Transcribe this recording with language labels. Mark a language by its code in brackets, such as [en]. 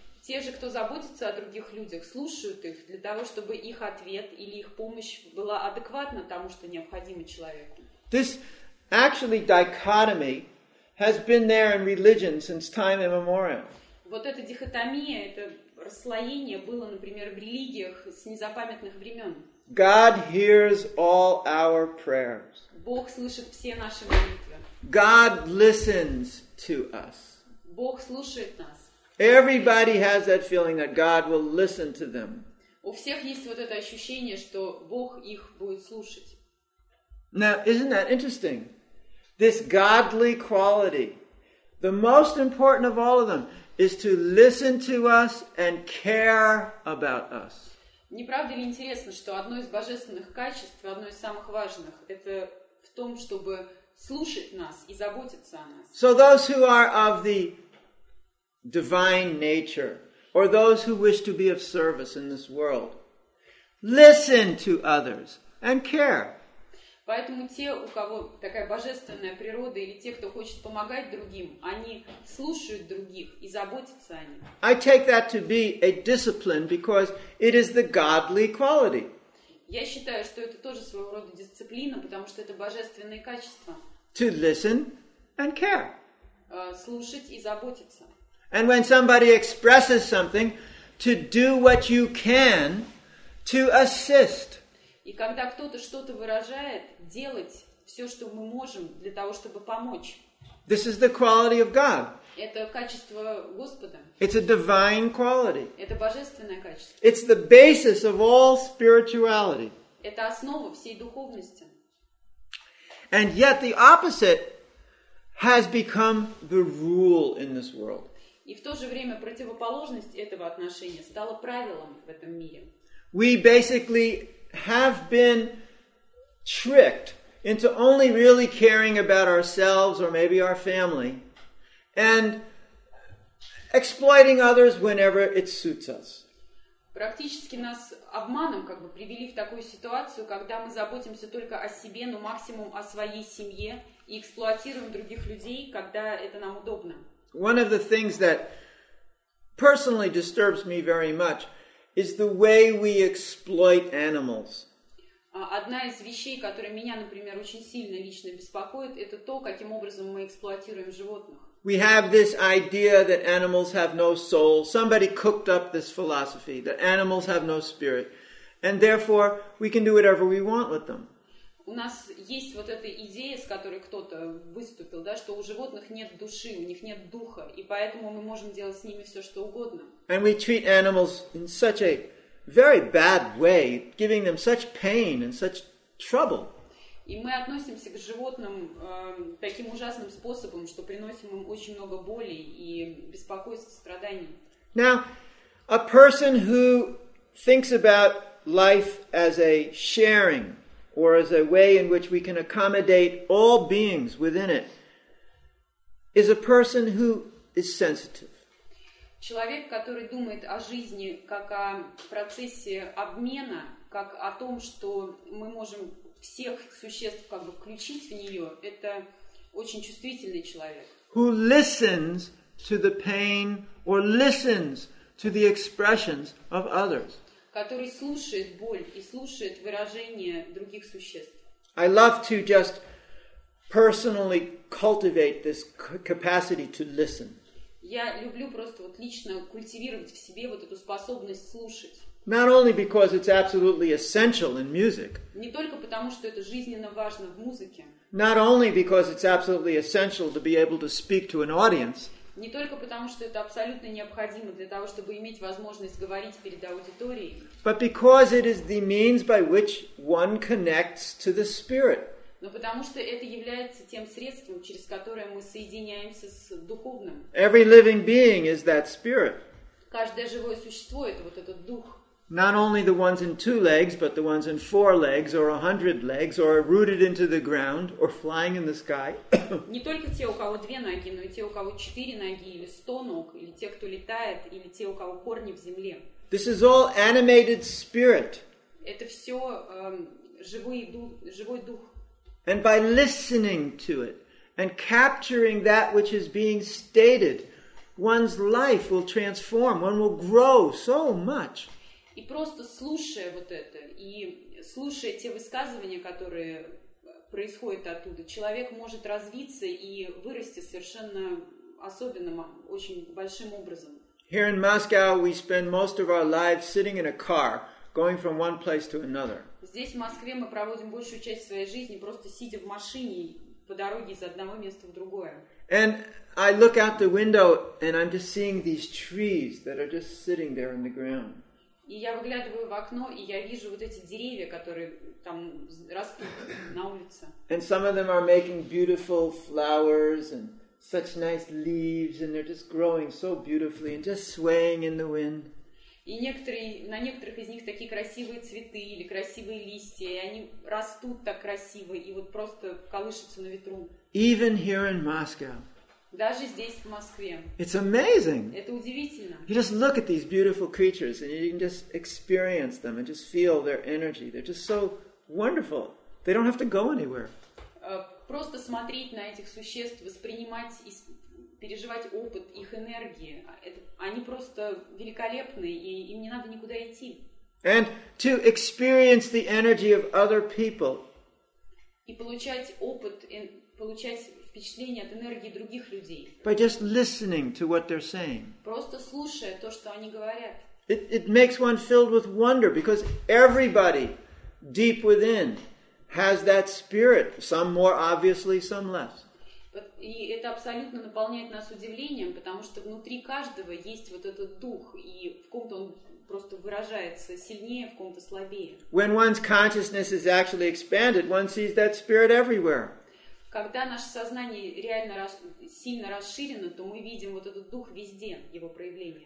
[ru] Те же, кто заботится о других людях, слушают их для того, чтобы их ответ или их помощь была адекватна тому, что необходимо человеку. [en] This actually dichotomy has been there in religion since time immemorial. [ru] Вот эта дихотомия, это расслоение было, например, в религиях с незапамятных времен. [en] God hears all our prayers. [ru] Бог слышит все наши молитвы. [en] God listens to us. [ru] Бог слушает нас. [en] Everybody has that feeling that God will listen to them. [ru] У всех есть вот это ощущение, что Бог их будет слушать. [en] Now, isn't that interesting? This godly quality, the most important of all of them, is to listen to us and care about us. [ru] Не правда ли интересно, что одно из божественных качеств, одно из самых важных, это в том, чтобы слушать нас и заботиться о нас. [en] So those who are of the divine nature, or those who wish to be of service in this world, listen to others and care. [ru] Поэтому те, у кого такая божественная природа, или те, кто хочет помогать другим, они слушают других и заботятся о них. [en] I take that to be a discipline because it is the godly quality. [ru] Я считаю, что это тоже своего рода дисциплина, потому что это божественные качества. [en] To listen and care. [ru] Слушать и заботиться. [en] And when somebody expresses something, to do what you can to assist. [ru] И когда кто-то что-то выражает, делать все, что мы можем для того, чтобы помочь. [en] This is the quality of God. [ru] Это качество Господа. [en] It's a divine quality. [ru] Это божественное качество. [en] It's the basis of all spirituality. [ru] Это основа всей духовности. [en] And yet the opposite has become the rule in this world. [ru] И в то же время противоположность этого отношения стала правилом в этом мире. [en] We basically have been tricked into only really caring about ourselves or maybe our family and exploiting others whenever it suits us. [ru] Практически нас обманом как бы привели в такую ситуацию, когда мы заботимся только о себе, но максимум о своей семье и эксплуатируем других людей, когда это нам удобно. [en] One of the things that personally disturbs me very much is the way we exploit animals. [ru] Одна из вещей, которая меня, например, очень сильно лично беспокоит, это то, каким образом мы эксплуатируем животных. [en] We have this idea that animals have no soul. Somebody cooked up this philosophy that animals have no spirit, and therefore we can do whatever we want with them. [ru] У нас есть вот эта идея, с которой кто-то выступил, да, что у животных нет души, у них нет духа, и поэтому мы можем делать с ними все, что угодно. [en] And we treat animals in such a very bad way, giving them such pain and such trouble. [ru] И мы относимся к животным таким ужасным способом, что приносим им очень много боли и беспокойств, страданий. [en] Now, a person who thinks about life as a sharing, or as a way in which we can accommodate all beings within it, is a person who is sensitive. [ru] Человек, который думает о жизни как о процессе обмена, как о том, что мы можем всех существ как бы включить в нее, это очень чувствительный человек. [en] Who listens to the pain or listens to the expressions of others. [ru] Который слушает боль и слушает выражения других существ. [en] I love to just personally cultivate this capacity to listen. [ru] Я люблю просто вот лично культивировать в себе вот эту способность слушать. [en] Not only because it's absolutely essential in music. [ru] Не только потому, что это жизненно важно в музыке. [en] Not only because it's absolutely essential to be able to speak to an audience. [ru] Не только потому, что это абсолютно необходимо для того, чтобы иметь возможность говорить перед аудиторией. [en] But because it is the means by which one connects to the spirit. [ru] Но потому что это является тем средством, через которое мы соединяемся с духовным. [en] Every living being is that spirit. [ru] Каждое живое существо — это вот этот дух. [en] Not only the ones in two legs, but the ones in four legs, or 100 legs, or rooted into the ground, or flying in the sky. [ru] Не только те, у кого две ноги, но и те, у кого четыре ноги, или 100 ног, или те, кто летает, или те, у кого корни в земле. [en] This is all animated spirit. [ru] Это все живой дух. [en] And by listening to it, and capturing that which is being stated, one's life will transform, one will grow so much. [ru] И просто слушая вот это, и слушая те высказывания, которые происходят оттуда, человек может развиться и вырасти совершенно особенным, очень большим образом. [en] Here in Moscow we spend most of our lives sitting in a car, going from one place to another. [ru] Здесь, в Москве, мы проводим большую часть своей жизни, просто сидя в машине по дороге из одного места в другое. [en] And I look out the window, and I'm just seeing these trees that are just sitting there in the ground. [ru] И я выглядываю в окно, и я вижу вот эти деревья, которые там растут на улице. [en] And some of them are making beautiful flowers and such nice leaves, and they're just growing so beautifully and just swaying in the wind. [ru] И некоторые, на некоторых из них такие красивые цветы или красивые листья, и они растут так красиво и вот просто колышутся на ветру. [en] Even here in Moscow. [ru] Даже здесь, в Москве. [en] It's amazing. [ru] Это удивительно. [en] You just look at these beautiful creatures and you can just experience them and just feel their energy. They're just so wonderful. They don't have to go anywhere. [ru] Просто смотреть на этих существ, воспринимать и переживать опыт их энергии. Они просто великолепны, и им не надо никуда идти. [en] And to experience the energy of other people. [ru] И получать опыт, получать впечатление от энергии других людей. [en] By just listening to what they're saying. [ru] Просто слушая то, что они говорят. [en] It makes one filled with wonder because everybody deep within has that spirit, some more obviously, some less. [ru] И это абсолютно наполняет нас удивлением, потому что внутри каждого есть вот этот дух, и в ком-то он просто выражается сильнее, в ком-то слабее. [en] When one's consciousness is actually expanded, one sees that spirit everywhere. [ru] Когда наше сознание реально сильно расширено, то мы видим вот этот дух везде, его проявление.